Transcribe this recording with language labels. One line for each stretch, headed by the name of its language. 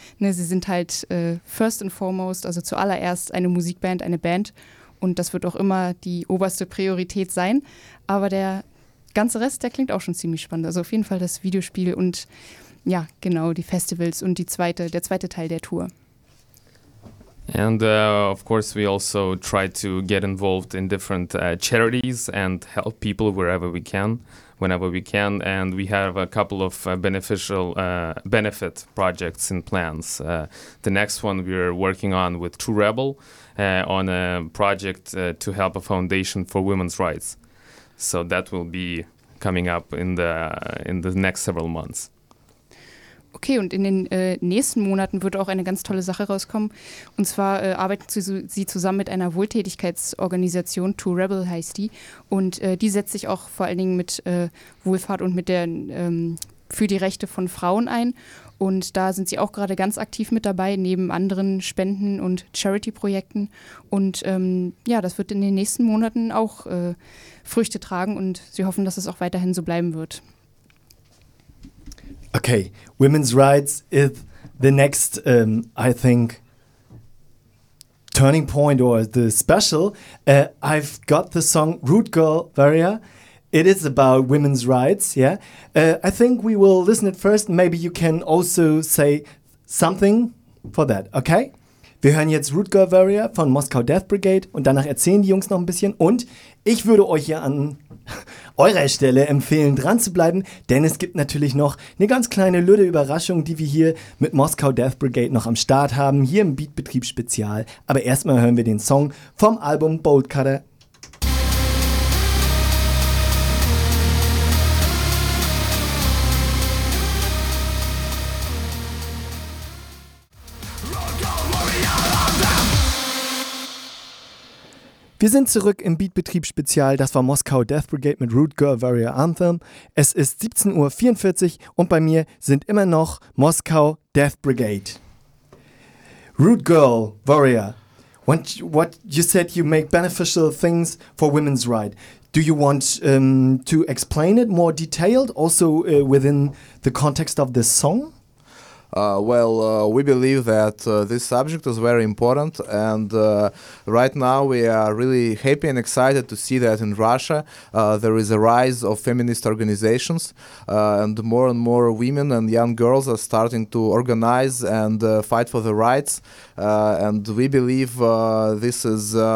German: Ne, sie sind halt
English: first and foremost,
German: also zuallererst eine Musikband, eine Band. Und das wird auch immer die oberste Priorität sein. Aber der ganze Rest, der klingt auch schon ziemlich spannend. Also auf jeden Fall das Videospiel und ja, genau, die Festivals und der zweite Teil der Tour.
English: And of course, we also try to get involved in different charities and help people wherever we can. Whenever we can, and we have a couple of benefit projects and plans. The next one we're working on with True Rebel on a project to help a foundation for women's rights. So that will be coming up in the next several months.
German: Okay, und in den nächsten Monaten wird auch eine ganz tolle Sache rauskommen. Und zwar arbeiten sie zusammen mit einer Wohltätigkeitsorganisation, True Rebel heißt die. Und die setzt sich auch vor allen Dingen mit Wohlfahrt und mit für die Rechte von Frauen ein. Und da sind sie auch gerade ganz aktiv mit dabei, neben anderen Spenden- und Charity-Projekten. Und ja, das wird in den nächsten Monaten auch Früchte tragen und sie hoffen, dass es auch weiterhin so bleiben wird.
English: Okay, women's rights is the next, I think, turning point or the special. I've got the song Root Girl, Varia. It is about women's rights, yeah? I think we will listen it first. Maybe you can also say something for that, okay?
German: Wir hören jetzt Root Girl, Varia von Moscow Death Brigade und danach erzählen die Jungs noch ein bisschen. Und ich würde euch hier an eurer Stelle empfehlen, dran zu bleiben, denn es gibt natürlich noch eine ganz kleine lüde Überraschung, die wir hier mit Moscow Death Brigade noch am Start haben, hier im Beatbetrieb Spezial. Aber erstmal hören wir den Song vom Album Boltcutter. Wir sind zurück im Beatbetrieb Spezial. Das war Moscow Death Brigade mit Root Girl Varia Anthem. Es ist 17.44 Uhr und bei mir sind immer noch Moscow Death Brigade.
English: Root Girl Varia, what you said, you make beneficial things for women's rights. Do you want to explain it more detailed, also within the context of this song? We believe that this subject is very important, and right now we are really happy and excited to see that in Russia there is a rise of feminist organizations, and more women and young girls are starting to organize and fight for the rights, and we believe this is...